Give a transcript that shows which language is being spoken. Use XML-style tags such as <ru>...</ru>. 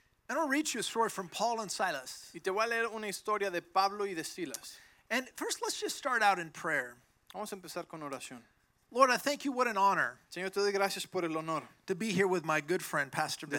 <en>And I'll read you a story from Paul and Silas.</en> <es>Y te voy a leer una historia de Pablo y de Silas.</es> <en>And first, let's just start out in prayer.</en> <es>Vamos a empezar con oración.</es> <en>Lord, I thank you. What an honor.</en> <es>Señor, te doy gracias por el honor.</es> <en>To be here with my good friend, Pastor Ben.</en>